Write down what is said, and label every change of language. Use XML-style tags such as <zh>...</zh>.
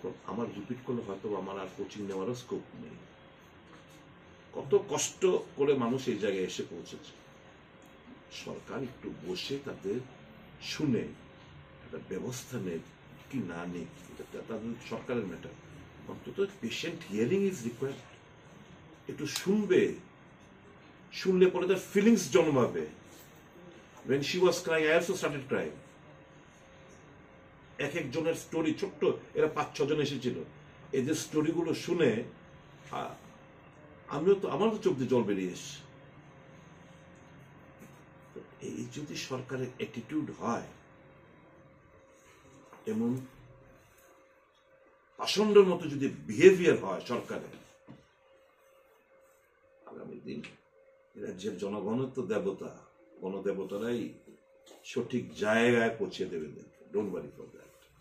<bn>আমার রিপিট করলে হয়তো আমার আর কোচিং নেওয়ার স্কোপ নেই। কত কষ্ট করে মানুষ এই জায়গায় এসে পৌঁছেছে, সরকার একটু বসে তাদের শুনে একটা ব্যবস্থা নেই কি না নেই সরকারের ম্যাটার, অন্তত</bn> <en>patient hearing is required,</en> <bn>একটু শুনবে, শুনলে পরে তার ফিলিংস জন্মাবে।</bn> <en>When she was crying, I also started crying.</en> <bn>এক একজনের স্টোরি, ছোট্ট এরা 5-6 জন এসেছিল, এদের স্টোরিগুলো শুনে আমিও তো আমারও চোখ দিয়ে জল বেরিয়ে এসে। এই যদি সরকারের অ্যাটিটিউড হয় এমন পাষণ্ডের মতো যদি বিহেভিয়ার হয় সরকারের, আগামী দিন রাজ্যের জনগণ তো দেবতা, গণদেবতারাই সঠিক জায়গায় পৌঁছে দেবে।</bn> <en>Don't worry for that.</en>